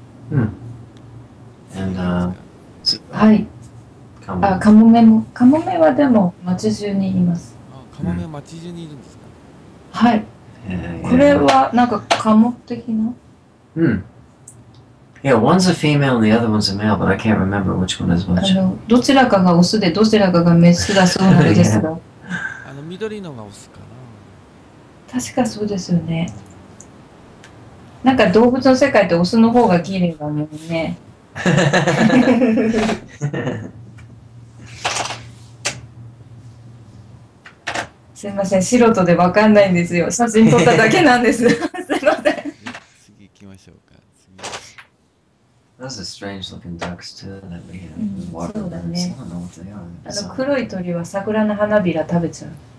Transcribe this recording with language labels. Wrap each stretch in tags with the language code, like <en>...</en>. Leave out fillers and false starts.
<ja>うん、はい、あ、カモメも、カモメはでも町中にいます。あ、カモメは町中にいるんですか。はい、これはなんかカモ的な、</ja> <en>うん、yeah, one's a female and the other one's a male, but I can't remember which one is which.</en> <ja>どちらかがオスで、どちらかがメスだそうなんですが、あの緑のがオスかな。確かそうですよね。なんか動物の世界ってオスの方が綺麗だもんね。すいません、素人で分かんないんですよ。写真撮っただけなんです。すいません。次行きましょうか。次。</ja> <en>That's a strange looking ducks too that we have.</en> <ja>そうだね。あの黒い鳥は桜の花びら食べちゃう。</ja>